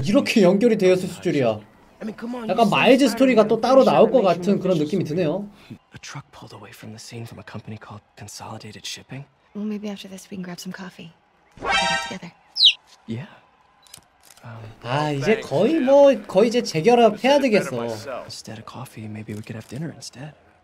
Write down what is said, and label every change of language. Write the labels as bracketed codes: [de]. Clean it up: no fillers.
[ko] 이렇게 연결이 되었을 줄이야. 약간 마일즈 스토리가 또 따로 나올 것 같은 그런 느낌이 드네요. [en] A truck pulled away from the scene from a company called Consolidated Shipping. Well, maybe after this we can grab some coffee. Yeah. [ko] 아, 이제 거의 뭐 거의 이제 재결합해야 되겠어. [en] Instead of coffee, maybe we could have dinner instead.